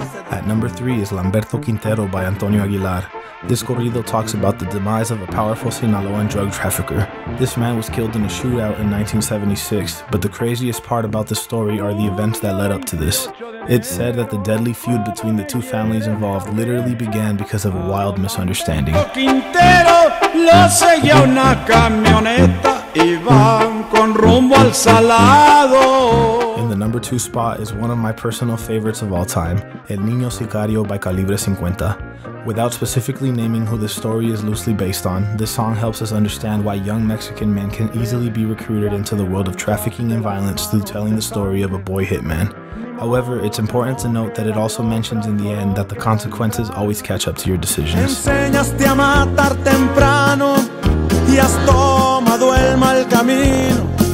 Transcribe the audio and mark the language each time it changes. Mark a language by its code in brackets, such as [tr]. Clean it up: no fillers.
[en] At number 3 is Lamberto Quintero by Antonio Aguilar. This corrido talks about the demise of a powerful Sinaloan drug trafficker. This man was killed in a shootout in 1976, but the craziest part about the story are the events that led up to this. It's said that the deadly feud between the two families involved literally began because of a wild misunderstanding. [es] Quintero lo seguía una camioneta y van con rumbo al salado. [en] In the number 2 spot is one of my personal favorites of all time, El Niño Sicario by Calibre 50. Without specifically naming who the story is loosely based on, this song helps us understand why young Mexican men can easily be recruited into the world of trafficking and violence through telling the story of a boy hitman. However, it's important to note that it also mentions in the end that the consequences always catch up to your decisions. [es] Enseñaste a matar temprano y has tomado el mal camino.